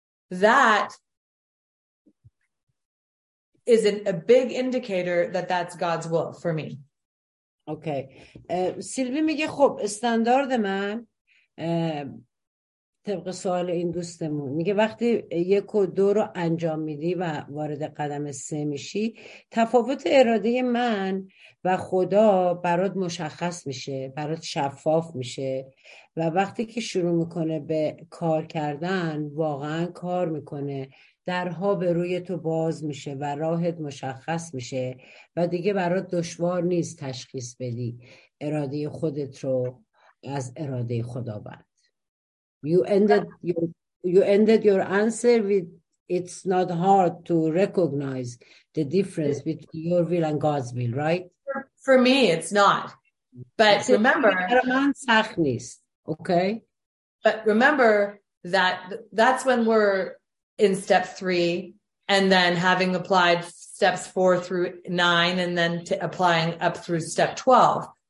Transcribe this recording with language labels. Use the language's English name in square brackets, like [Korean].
[English] That is a big indicator that's God's will for me. Okay. [Persian] سیلوی میگه خب استاندارد من طبق سوال این دوستمون میگه وقتی 1 و 2 رو انجام میدی و وارد قدم 3 میشی، تفاوت اراده من و خدا برات مشخص میشه، برات شفاف میشه، و وقتی که شروع میکنه به کار کردن واقعا کار میکنه، درها به روی تو باز میشه و راهت مشخص میشه و دیگه برات دشوار نیست تشخیص بدی اراده خودت رو از اراده خداوند. [English] You ended your answer with it's not hard to recognize the difference between your will and God's will, right? For me it's not. But remember, [Persian] سخت نیست. Okay? [English] But remember that that's when we're in step three, and then having applied steps 4 through 9, and then applying up through step 12.